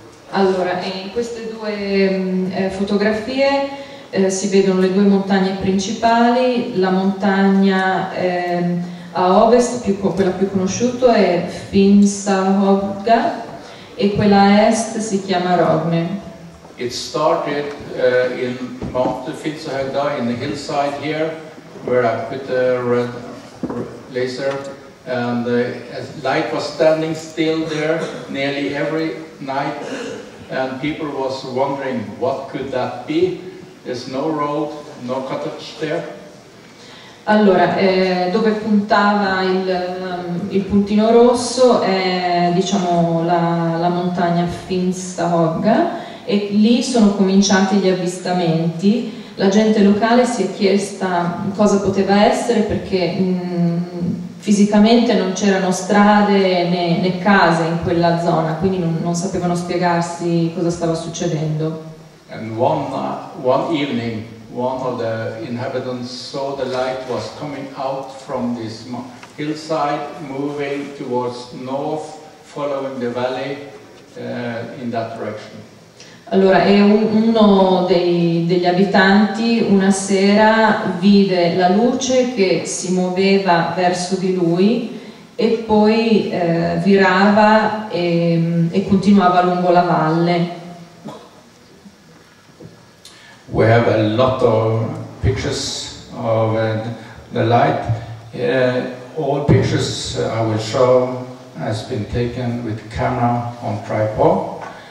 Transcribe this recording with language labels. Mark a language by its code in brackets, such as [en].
[it] Allora, in queste due fotografie si vedono le due montagne principali, la montagna a ovest, quella più conosciuta è Finsahöjda e quella a est si chiama Rogne. [en] It started in Mount Finsahöjda in the hillside here, where I put a red laser, and light was standing still there nearly every night, and people was wondering what could that be. There's no road, no cottage there. [it] Allora, dove puntava il puntino rosso è, diciamo, la montagna Finsahöjda. E lì sono cominciati gli avvistamenti. La gente locale si è chiesta cosa poteva essere perché fisicamente non c'erano strade né case in quella zona, quindi non sapevano spiegarsi cosa stava succedendo. [en] And one evening one of the inhabitants saw the light was coming out from this hillside moving towards north following the valley in that direction. [it] Allora, e uno degli abitanti una sera vide la luce che si muoveva verso di lui e poi virava e continuava lungo la valle. [en] We have a lot of pictures of the light. All pictures I will show has been taken with camera on tripod.